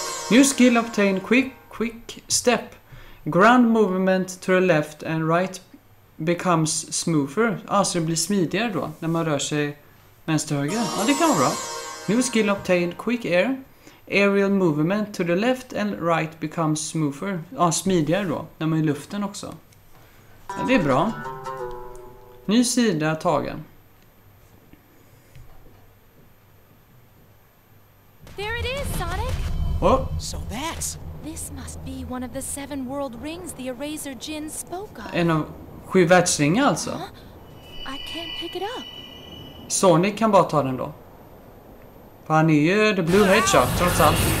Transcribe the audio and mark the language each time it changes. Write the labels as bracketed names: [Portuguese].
[English] New skill obtained, quick step. Ground movement to the left and right becomes smoother. [Swedish] Alltså det blir smidigare då när man rör sig vänster och höger. Ja, det kan vara bra. [English] New skill obtained, quick air. Aerial movement to the left and right becomes smoother. [Swedish] Ja, smidigare då när man är i luften också. Ja, det är bra. Ny sida tagen. [English] There it is, Sonic. Oh. So that's... This must be one of the seven world rings the Eraser Jin spoke of. [Swedish] En av sju världsringar alltså. [English] Huh? I can't pick it up. [Swedish] Sonic kan bara ta den då. För han är ju The Blue Hedgehog, trots allt.